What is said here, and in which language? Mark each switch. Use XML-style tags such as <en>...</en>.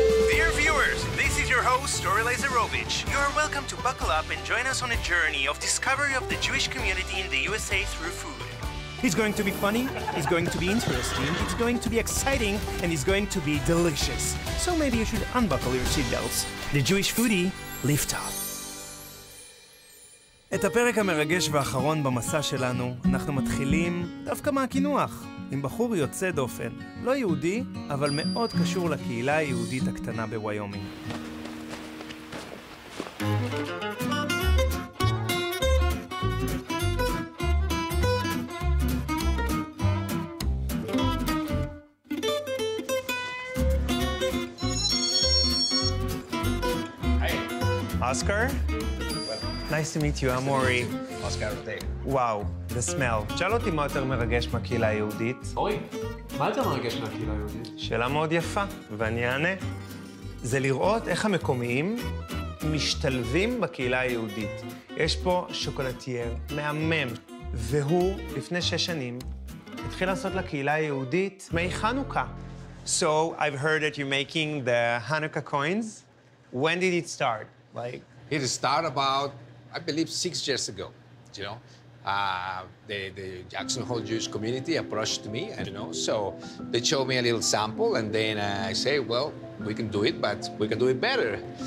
<en>Dear viewers, this is your host, Ori Laizerouvich. You are welcome to buckle up and join us on a journey of discovery of the Jewish community in the USA through food. It's going to be funny, it's going to be interesting, it's going to be exciting, and it's going to be delicious. So maybe you should unbuckle your seatbelts. The Jewish Foodie, lift off.</en> <he>את הפרק המרגש והאחרון במסע שלנו, אנחנו מתחילים דווקא מהכינוח, עם בחור יוצא דופן, לא יהודי, אבל מאוד קשור לקהילה היהודית הקטנה בוויומינג.</he> <en>Oscar? Nice to meet you, I'm Ori. Oscar, today. Wow, the smell.</en> <he>שאל אותי מה יותר מרגש מהקהילה היהודית. אורי, מה יותר מרגש מהקהילה היהודית? שאלה מאוד יפה, ואני אענה. זה לראות איך המקומיים משתלבים בקהילה היהודית. יש פה שוקולטייר מהמם, והוא, לפני שש שנים, התחיל לעשות לקהילה היהודית מי חנוכה.</he> <en>So, I've heard that you're making the Hanukkah coins. When did it start? It started about, I believe, 6 years ago, you know. The Jackson Hole Jewish community approached me, you know, so they showed me a little sample, and then I say, well, we can do it, but we can do it better.</en>